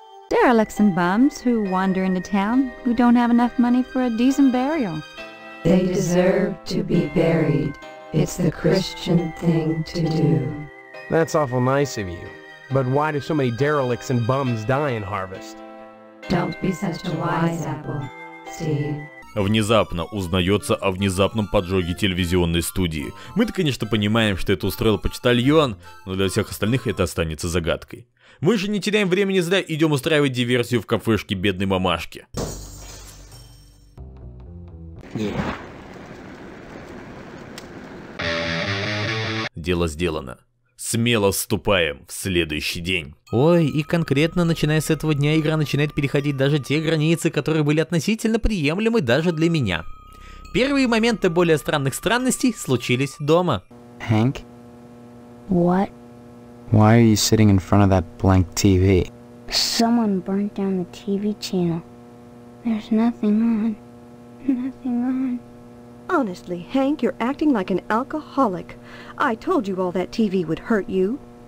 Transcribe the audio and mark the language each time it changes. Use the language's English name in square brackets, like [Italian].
[English] Derelicts and bums who wander into town who don't have enough money for a decent burial. They deserve to be buried. It's the Christian thing to do. That's awful nice of you. But why do so many derelicts and bums die in Harvest? Don't be such a wise apple. [Russian] Внезапно узнается о внезапном поджоге телевизионной студии. Мы-то, конечно, понимаем, что это устроил почтальон, но для всех остальных это останется загадкой. Мы же не теряем времени зря, идем устраивать диверсию в кафешке бедной мамашки. Дело сделано. Смело вступаем в следующий день. Ой, и конкретно начиная с этого дня игра начинает переходить даже те границы, которые были относительно приемлемы даже для меня. Первые моменты более странных странностей случились дома. [English] Hank? What? Why are you sitting in front of that blank TV? Someone burnt down the TV channel. There's nothing on. Nothing on. Honestly, Hank, you're acting like an alcoholic. I told you all that TV would hurt you.